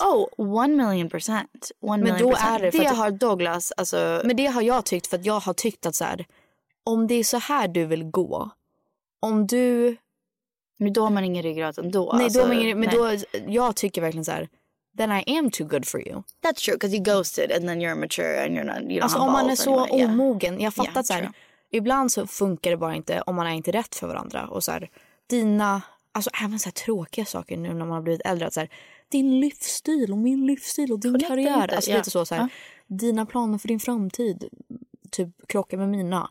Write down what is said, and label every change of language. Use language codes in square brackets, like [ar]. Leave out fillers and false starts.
[en] Oh, 1,000,000%. 1,000,000%. [sv] Men då är det... För det har Douglas, alltså... Men det har jag tyckt, för att jag har tyckt att så här, om det är så här du vill gå, om du... Men då har man ingen ryggrad ändå. Nej, alltså, då har man ingen, men då, jag tycker verkligen så här, [en] then I am too good for you. That's true, because you ghosted and then you're immature and you're not... You [sv] alltså om man är så omogen, jag fattar så här, ibland så funkar det bara inte om man är inte rätt för varandra. Och så här, dina... Alltså även så här tråkiga saker nu när man har blivit äldre. Så här, din livsstil och min livsstil och din korrekt karriär. Inte. Alltså lite så här, dina planer för din framtid typ krockar med mina.